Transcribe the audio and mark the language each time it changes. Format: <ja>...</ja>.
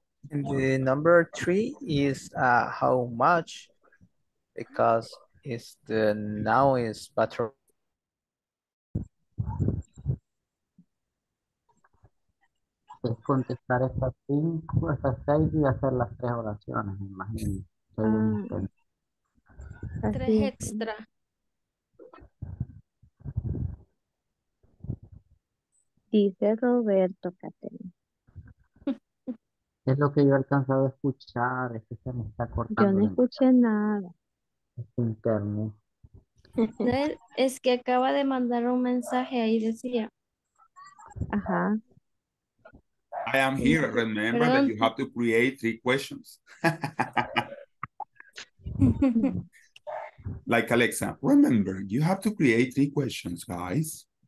<en>And the number three is how much, because it's the noun is better.</en> <es>Es contestar estas cinco, estas seis y hacer las tres oraciones, me imagino. Tres extra. Dice Roberto Catena. Es lo que yo he alcanzado a escuchar, es que se me está cortando. Yo no escuché nada. Es interno. Es que acaba de mandar un mensaje ahí, decía. Ajá.</es> <en>I am here. Remember that you have to create three questions. Like Alexa, remember, you have to create three questions, guys.</en>